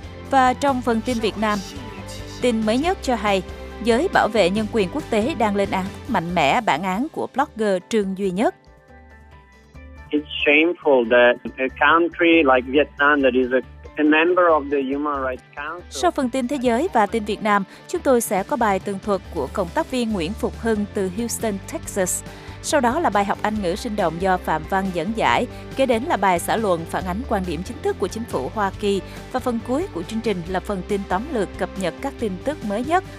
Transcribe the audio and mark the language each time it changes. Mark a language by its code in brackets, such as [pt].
[vi] Và trong phần tin Việt Nam, tin mới nhất cho hay, giới bảo vệ nhân quyền quốc tế đang lên án mạnh mẽ bản án của blogger Trương Duy Nhất. [en] It's shameful that a country like Vietnam that is a member of the Human Rights Council. [vi] Sau phần tin thế giới và tin Việt Nam, chúng tôi sẽ có bài tường thuật của cộng tác viên Nguyễn Phục Hưng từ Houston, Texas. Sau đó là bài học Anh ngữ sinh động do Phạm Văn dẫn giải, kế đến là bài xã luận phản ánh quan điểm chính thức của chính phủ Hoa Kỳ. Và phần cuối của chương trình là phần tin tóm lược cập nhật các tin tức mới nhất.